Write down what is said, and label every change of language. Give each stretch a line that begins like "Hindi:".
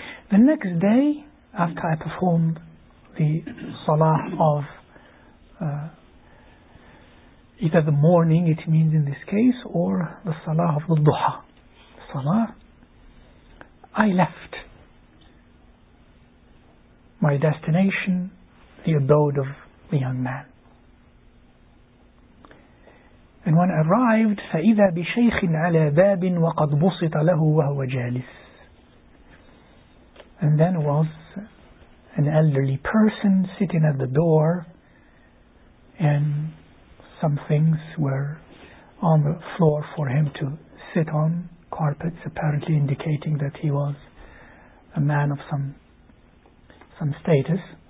English: The next day, after I performed the salah of either the morning, it means in this case, or the salah of the duha, salah, I left my destination, the abode of the young man. And when I arrived,
Arabic: فَإِذَا بِشَيْخٍ عَلَى بَابٍ وَقَدْ بُصِطَ لَهُ وَهُوَ جَالِسٍ.
English: And then was an elderly person sitting at the door, and some things were on the floor for him to sit on, carpets apparently indicating that he was a man of some status.